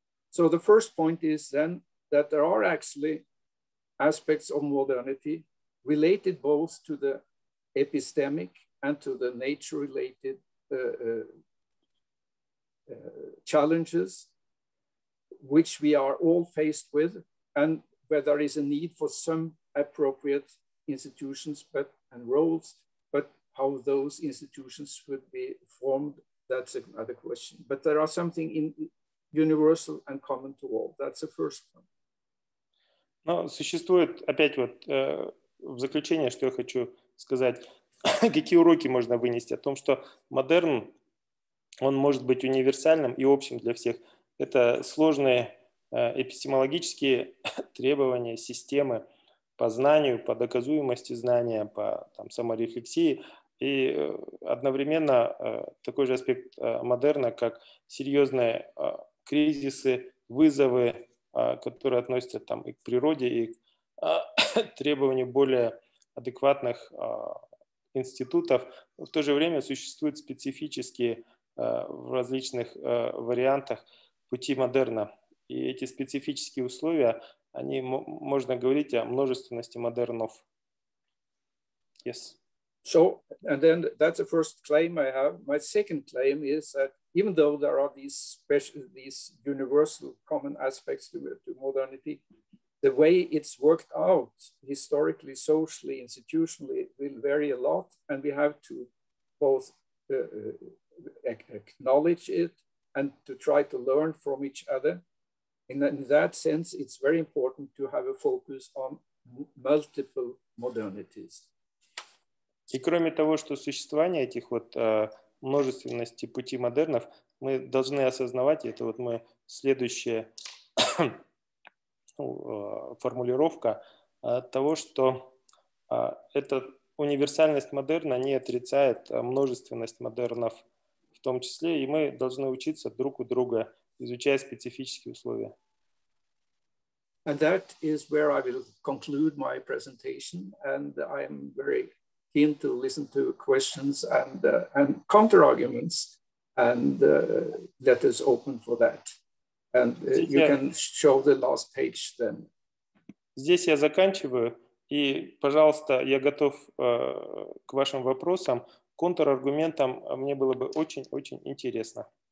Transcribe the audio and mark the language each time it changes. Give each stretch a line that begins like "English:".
English: So the first point is then that there are actually aspects of modernity related both to the epistemic and to the nature-related challenges which we are all faced with, and where there is a need for some appropriate institutions and roles, but how those institutions would be formed, that's another question. But there are something in universal and common to all. That's the first one.
Russian: Ну, существует опять вот в заключение, что я хочу сказать, какие уроки можно вынести о том, что модерн, он может быть универсальным и общим для всех. Это сложные эпистемологические требования, системы по знанию, по доказуемости знания, по там, саморефлексии. И одновременно такой же аспект модерна, как серьезные кризисы, вызовы, которые относятся там, и к природе, и к требованию более адекватных институтов. В то же время существуют специфические в различных вариантах пути модерна. И эти специфические условия, они можно говорить о множественности модернов.
English: Yes. So, and then that's the first claim I have. My second claim is that even though there are these special, these universal common aspects to modernity, the way it's worked out historically, socially, institutionally, will vary a lot. And we have to both acknowledge it and to try to learn from each other. In that sense, it's very important to have a focus on multiple modernities.
Russian: И кроме того, что существование этих вот множественности пути модернов, мы должны осознавать, это вот моя следующая формулировка, того, что эта универсальность модерна не отрицает множественность модернов в том числе, и мы должны учиться друг у друга, изучая специфические условия.
English: And that is where I will conclude my presentation, and I am very keen to listen to questions and counter-arguments, and that is open for that. And you can show the last page then.
Russian: Здесь я заканчиваю, и, пожалуйста, я готов к вашим вопросам, контраргументам. Мне было бы очень-очень интересно.